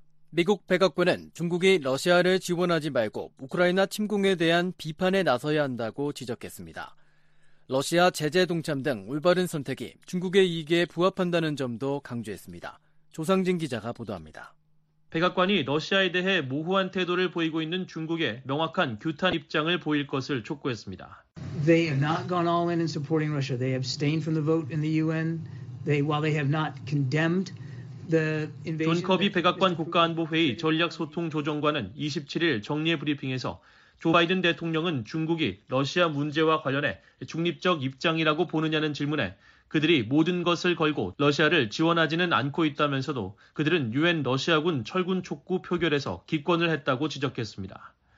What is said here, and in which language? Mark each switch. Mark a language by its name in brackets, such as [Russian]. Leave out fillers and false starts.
[Korean] 미국 백악관은 중국이 러시아를 지원하지 말고 우크라이나 침공에 대한 비판에 나서야 한다고 지적했습니다. 러시아 제재 동참 등 올바른 선택이 중국의 이익에 부합한다는 점도 강조했습니다. 조상진 기자가 보도합니다. 백악관이 러시아에 대해 모호한 태도를 보이고 있는 중국에 명확한 규탄 입장을 보일 것을 촉구했습니다. [English] They have not gone all in supporting Russia. They abstained from the vote in the UN. While they have not condemned the invasion. [Korean] 존 커비 백악관 국가안보회의 전략소통조정관은 27일 정례 브리핑에서 조 바이든 대통령은 중국이 러시아 문제와 관련해 중립적 입장이라고 보느냐는 질문에 그들이 모든 것을 걸고 러시아를 지원하지는 않고 있다면서도 그들은 유엔 러시아군 철군 촉구 표결에서 기권을 했다고 지적했습니다.